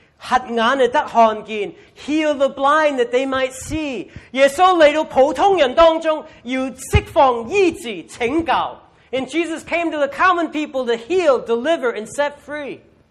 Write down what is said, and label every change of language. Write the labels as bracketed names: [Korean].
[Chinese] 瞎眼的得看见， [English] heal the blind that they might see. [Chinese] 耶稣来到普通人当中，要释放医治拯救。 [English] And Jesus came to the common people to heal, deliver, and set free.